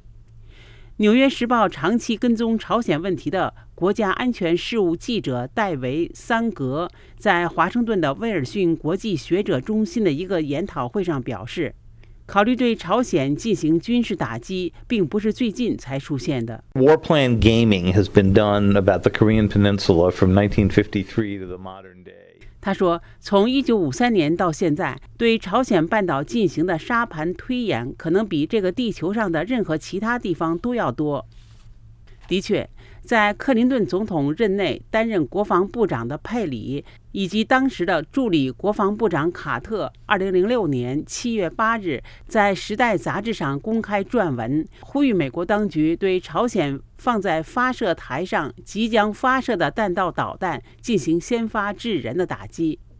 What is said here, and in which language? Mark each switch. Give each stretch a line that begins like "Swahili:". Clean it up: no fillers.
Chinese: 《纽约时报》长期跟踪朝鲜问题的国家安全事务记者戴维·桑格在华盛顿的威尔逊国际学者中心的一个研讨会上表示，考虑对朝鲜进行军事打击并不是最近才出现的。
English: War plan gaming has been done about the Korean Peninsula from 1953 to the modern day.
Chinese: 他说，从1953年到现在，对朝鲜半岛进行的沙盘推演可能比这个地球上的任何其他地方都要多。的确，在克林顿总统任内担任国防部长的佩里以及当时的助理国防部长卡特2006年7月8日在《时代》杂志上公开撰文，呼吁美国当局对朝鲜放在发射台上即将发射的弹道导弹进行先发制人的打击。